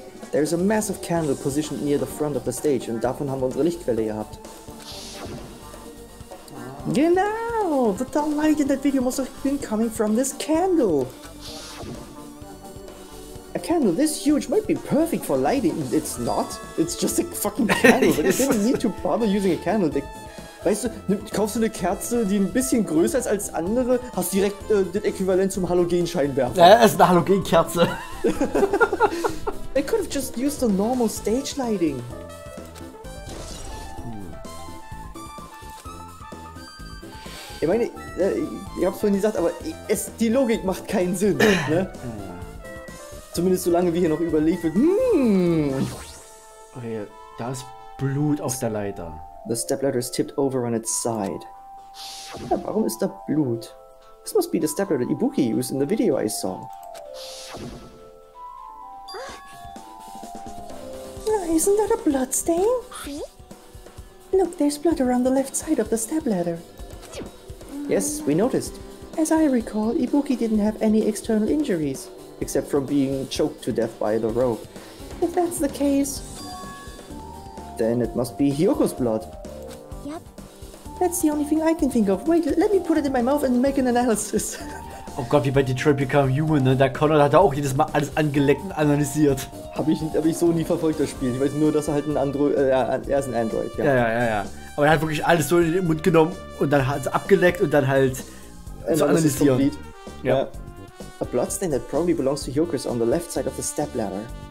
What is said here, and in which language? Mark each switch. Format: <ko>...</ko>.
<en>There's a massive candle positioned near the front of the stage, and</en> <de>davon haben wir unsere Lichtquelle gehabt. Genau!</de> <en>The dumb light in that video must have been coming from this candle! A candle this huge might be perfect for lighting. It's not. It's just a fucking candle. Yes, like, I didn't need to bother using a candle.</en> <de>Like, weißt du, kaufst du eine Kerze, die ein bisschen größer ist als andere, hast direkt das Äquivalent zum Halogenscheinwerfer. Ja, es ist eine Halogenkerze.</de> <en>They could have just used the normal stage lighting.</en> <de>Ich meine, ich hab's vorhin gesagt, aber die Logik macht keinen Sinn, ne? Zumindest solange wir hier noch überliefert. Okay, da ist Blut auf der Leiter.</de> <en>The stepladder is tipped over on its side.</en> <de>Ja, warum ist da Blut?</de> <en>This must be the stepladder Ibuki used in the video I saw. Isn't that a bloodstain? Look, there's blood around the left side of the stepladder. Yes, we noticed. As I recall, Ibuki didn't have any external injuries, except from being choked to death by the rope. If that's the case... Then it must be Hyoko's blood. Yep. That's the only thing I can think of. Wait, let me put it in my mouth and make an analysis.</en> <de>Oh Gott, wie bei Detroit Become Human, ne? Der Connor hat auch jedes Mal alles angeleckt und analysiert. Hab ich so nie verfolgt, das Spiel. Ich weiß nur, dass er halt ein Android, er ist ein Android, ja. Ja. Aber er hat wirklich alles so in den Mund genommen und dann hat es abgeleckt und dann halt so analysiert. Ja.</de> <en>A bloodstain that probably belongs to Hyoko's on the left side of the stepladder.</en>